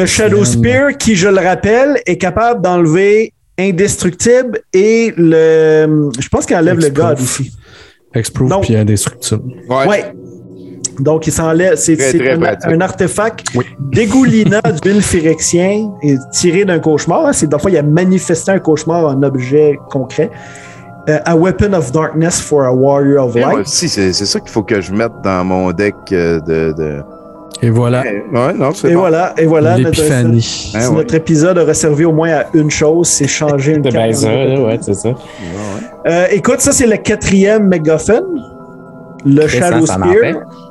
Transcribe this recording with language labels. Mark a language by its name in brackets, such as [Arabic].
[French] Le Shadow Spear, qui, je le rappelle, est capable d'enlever Indestructible et le. Je pense qu'il enlève X-proof. Le God ici. X-proof et Indestructible. Ouais. Donc, il s'enlève. C'est un artefact dégoulinant d'huile phyrexien et tiré d'un cauchemar. Hein. C'est, des fois, il a manifesté un cauchemar en objet concret. [English] A weapon of darkness for a warrior of light. [French] Moi aussi, c'est ça qu'il faut que je mette dans mon deck de... Et voilà. Ouais, non, c'est et bon. Voilà. Et voilà. L'épiphanie. Notre épisode aurait servi au moins à une chose, c'est changer une carte. Ben ça, ouais, c'est ça. Ouais, ouais. Écoute, ça, c'est le quatrième MacGuffin. Le c'est Shadow ça, Spear.